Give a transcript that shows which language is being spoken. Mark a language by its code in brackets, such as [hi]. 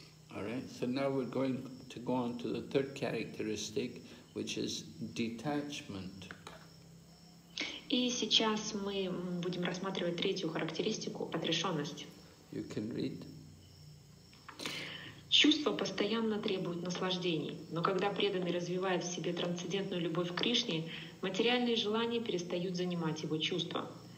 [en] All right. So now we're going to go on to the third characteristic, which is detachment. [ru] И сейчас мы будем рассматривать третью характеристику – отрешенность. [en] You can read. [ru] Чувства постоянно требуют наслаждений, но когда преданный развивает в себе трансцендентную любовь к Кришне, материальные желания перестают занимать его чувства.